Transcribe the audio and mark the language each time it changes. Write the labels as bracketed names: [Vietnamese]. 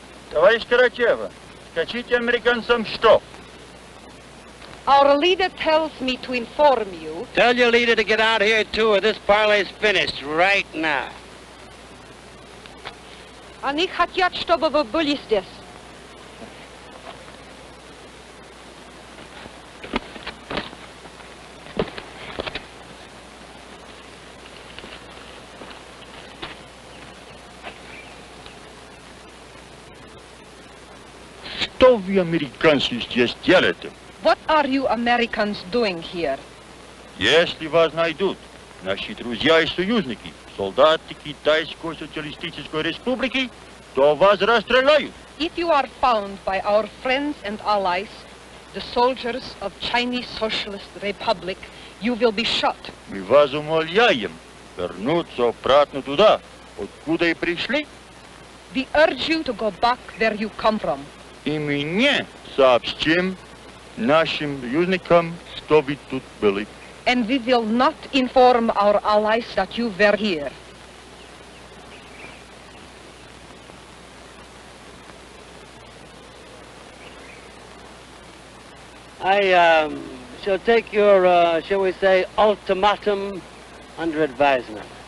[Russian] Товарищ Карачева, скажите американцам что? [English] Our leader tells me to inform you. Tell your leader to get out here too, or this parley is finished right now. [Russian] Они хотят, чтобы вы были здесь. Что вы, американцы, здесь делаете? [English] What are you Americans doing here? [Russian] Если вас найдут наши друзья и союзники, солдаты Китайской Социалистической Республики, то вас расстреляют. [English] If you are found by our friends and allies, the soldiers of Chinese Socialist Republic, you will be shot. [Russian] Мы вас умоляем вернуться обратно туда, откуда и пришли. [English] We urge you to go back where you come from. [Russian] И мы не сообщим нашим союзникам, что вы тут были. [English] And we will not inform our allies that you were here. I shall take your, shall we say, ultimatum under advisement.